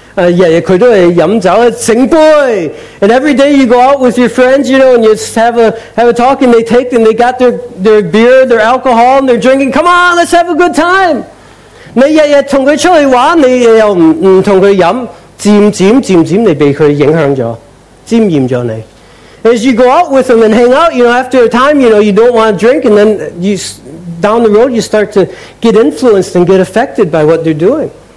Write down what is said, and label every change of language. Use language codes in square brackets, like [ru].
[zh] 例如呢,日日出去跟朋友聊天,玩一下,日日他都是喝酒,醒杯! [en] And every day you go out with your friends, you know, and you just have a talk, and they take, and they got their beer, their alcohol, and they're drinking, come on, let's have a good time! [zh] 你日日跟他出去玩,你又不跟他喝,渐渐渐渐地被他影响了,沾染了你。 [en] As you go out with them and hang out, you know, after a time, you know, you don't want to drink, and then you, down the road, you start to get influenced and get affected by what they're doing.